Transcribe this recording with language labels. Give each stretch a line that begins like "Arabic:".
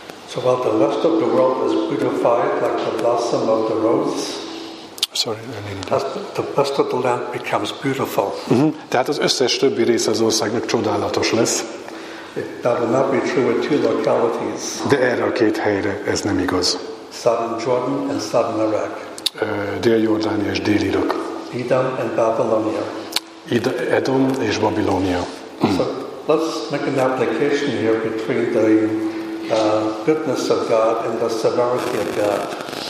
English: So while the rest of the world is beautified like the blossom of the rose. Sorry, I mean the rest of the land becomes beautiful.
Hungarian: Tehát az összes többi része az országnak csodálatos lesz.
English: That will not be true with two localities.
Hungarian: De erre a két helyre ez nem igaz.
English: Southern Jordan and southern Iraq.
Hungarian: Dél-Jordánia és Dél-Irak.
English: Edom and Babylonia.
Hungarian: Edom és Babilónia.
English: So let's make an application here between the goodness of God and the severity of God.